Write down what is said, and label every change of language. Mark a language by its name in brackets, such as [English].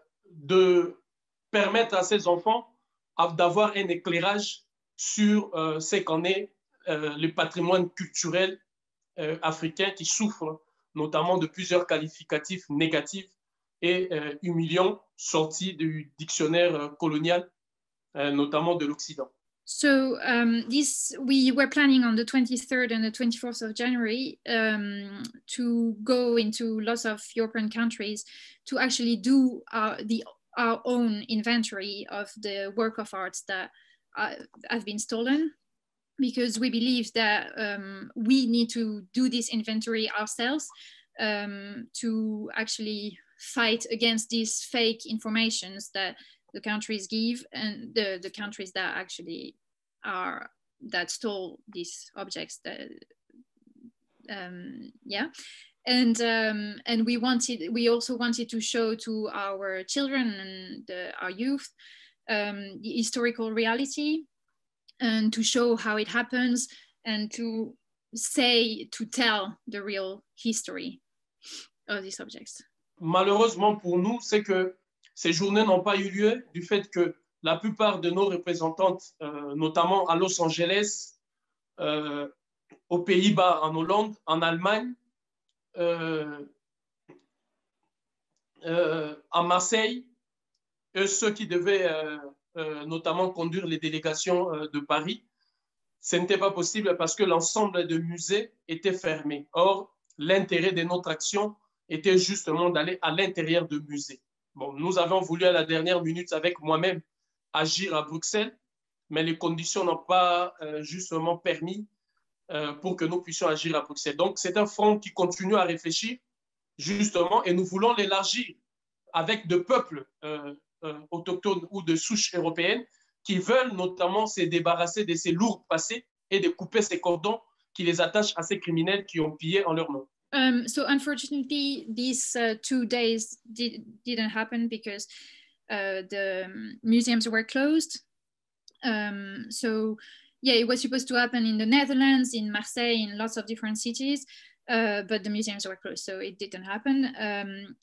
[French] de permettre à ces enfants d'avoir un éclairage sur ce qu'en est le patrimoine culturel africain qui souffre notamment de plusieurs qualificatifs négatifs et humiliants sortis du dictionnaire colonial, notamment de l'Occident. [English] So this, we were planning on the 23rd and the 24th of January to go into lots of European countries to actually do our own inventory of the work of art that have been stolen, because we believe that we need to do this inventory ourselves to actually fight against these fake informations that the countries give and the countries that actually are that stole these objects that and we also wanted to show to our children and our youth the historical reality and to show how it happens and to tell the real history of these objects. [French] Malheureusement pour nous, c'est que ces journées n'ont pas eu lieu du fait que la plupart de nos représentantes, notamment à Los Angeles, aux Pays-Bas, en Hollande, en Allemagne, à Marseille, et ceux qui devaient notamment conduire les délégations de Paris, ce n'était pas possible parce que l'ensemble des musées était fermé. Or, l'intérêt de notre action était justement d'aller à l'intérieur de musées. Bon, nous avons voulu à la dernière minute avec moi-même agir à Bruxelles, mais les conditions n'ont pas justement permis pour que nous puissions agir à Bruxelles. Donc, c'est un fonds qui continue à réfléchir, justement, et nous voulons l'élargir avec de peuples autochtones ou de souches européennes qui veulent notamment se débarrasser de ces lourds passés et de couper ces cordons qui les attachent à ces criminels qui ont pillé en leur nom. [English] So, unfortunately, these 2 days didn't happen because the museums were closed. So yeah, it was supposed to happen in the Netherlands, in Marseille, in lots of different cities, but the museums were closed, so it didn't happen.